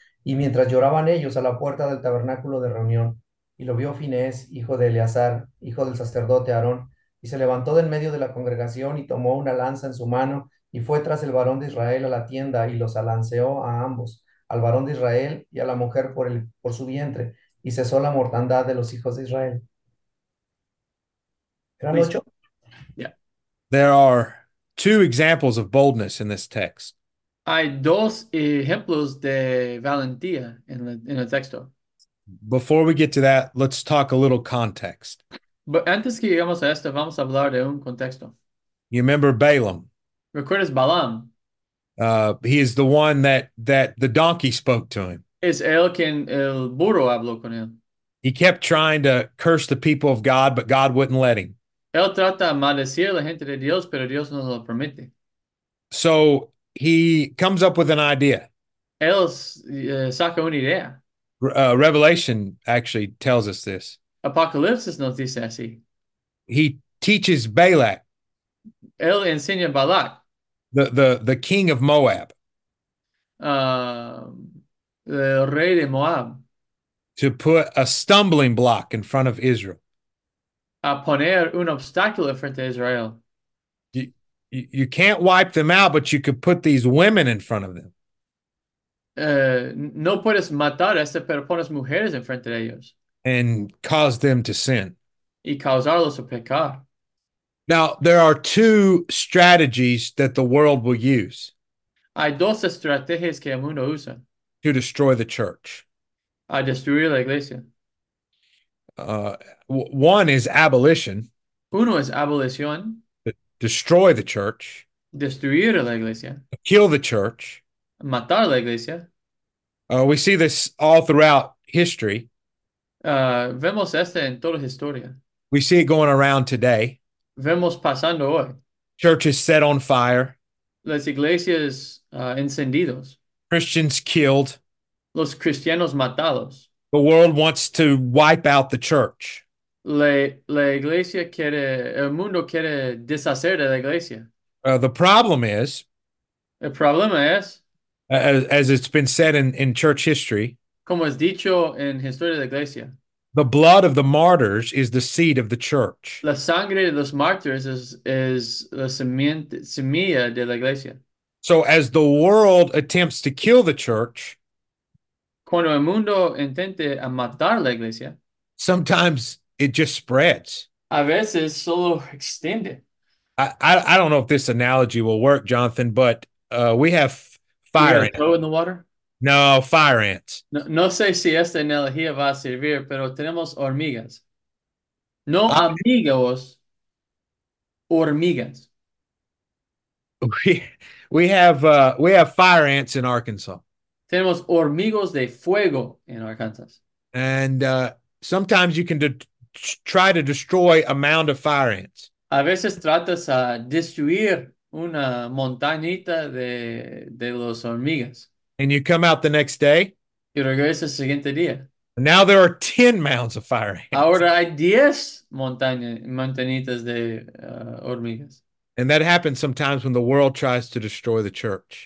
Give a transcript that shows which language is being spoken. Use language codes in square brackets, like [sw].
[es] Y mientras lloraban ellos a la puerta del tabernáculo de reunión, y lo vio Finés, hijo de Eleazar, hijo del sacerdote Aarón, y se levantó del medio de la congregación y tomó una lanza en su mano y fue tras el varón de Israel a la tienda y los alanceó a ambos. al varón de Israel y a la mujer por por su vientre, y cesó la mortandad de los hijos de Israel. ¿Eran [en] Please. [es] ocho? [en] There are two examples of boldness in this text. [es] Hay dos ejemplos de valentía en el texto. [en] Before we get to that, let's talk a little context. But [es] antes que lleguemos a esto, vamos a hablar de un contexto. [en] You remember Balaam? [es] ¿Recuerdas Balaam? [en] He is the one that the donkey spoke to him. [es] Es él quien el burro habló con él. [en] He kept trying to curse the people of God, but God wouldn't let him. [es] Él trata de maldecir a la gente de Dios, pero Dios no lo permite. [en] So he comes up with an idea. [es] Él saca una idea. [en] Revelation actually tells us this. [es] Apocalipsis nos dice así. [en] He teaches Balak, [es] Él enseña Balak. [en] the king of Moab, [es] El rey de Moab. [en] to put a stumbling block in front of Israel. [es] A poner un obstáculo frente a Israel. [en] You can't wipe them out, but you could put these women in front of them. [es] No puedes matar a este, pero pones mujeres en frente de ellos. [en] And cause them to sin. [es] Y causarlos a pecar. [en] Now, there are two strategies that the world will use [es] Hay dos estrategias que el mundo usa. [en] to destroy the church. [es] A destruir la iglesia. [en] One is abolition. [es] Uno es abolición. [en] Destroy the church, [es] Destruir la iglesia. [en] kill the church. [es] Matar la iglesia. [en] We see this all throughout history. [es] Vemos este en toda la historia. [en] We see it going around today. [es] Vemos pasando hoy. [en] Churches set on fire, [es] Las iglesias encendidos. [en] Christians killed. [es] Los cristianos matados. [en] The world wants to wipe out the church. [es] La iglesia quiere, el mundo quiere deshacer de la iglesia. [en] The problem is, [es] El problema es, [en] as it's been said in church history, [es] como es dicho en historia de la iglesia, [en] the blood of the martyrs is the seed of the church. [es] la sangre de los mártires es la semilla de la iglesia. [en] So as the world attempts to kill the church, [es] Cuando el mundo intente a matar la iglesia, [en] sometimes it just spreads. [es] a veces solo extiende. [en] I don't know if this analogy will work, Jonathan, but we have You fire got a ants. toe in the water? No, fire ants. [es] No, no sé si esta analogía va a servir, pero tenemos hormigas. No amigos, hormigas. [en] We have fire ants in Arkansas. [es] Tenemos hormigos de fuego en Arkansas. [en] And sometimes you can de try to destroy a mound of fire ants. [es] A veces tratas a destruir una montañita de los hormigas. [en] And you come out the next day. [es] Y regresas el siguiente día. [en] And now there are 10 mounds of fire ants. [es] Ahora hay 10 montañitas de hormigas. [en] And that happens sometimes when the world tries to destroy the church.